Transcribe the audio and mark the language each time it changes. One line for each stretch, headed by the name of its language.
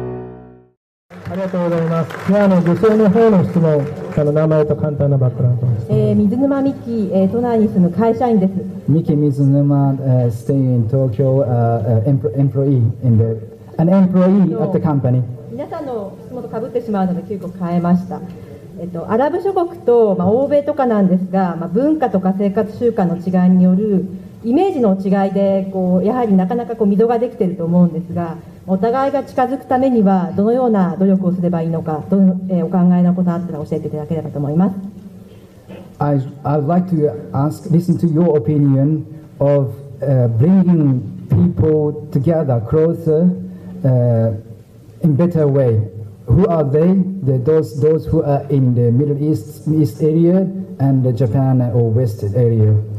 Japanese: 女性の方の質問、その名前と簡単なバックグラウンドです。水沼美希、都内に住む会社員です。
English: 美希水沼、stay in Tokyo, employee in the an employee at the company。
Japanese: 皆さんの質問と被ってしまうので急遽変えました。アラブ諸国と、欧米とかなんですが、文化とか生活習慣の違いによるイメージの違いで、やはりなかなか溝ができていると思うんですが、お互いが近づくためにはどのような努力をすればいいのか、お考えのことがあったら教えていただければと思います。
English: I'd like to ask, listen to your opinion of bringing people together closer in better way. Who are they? Those who are in the Middle East area and the Japan or West area.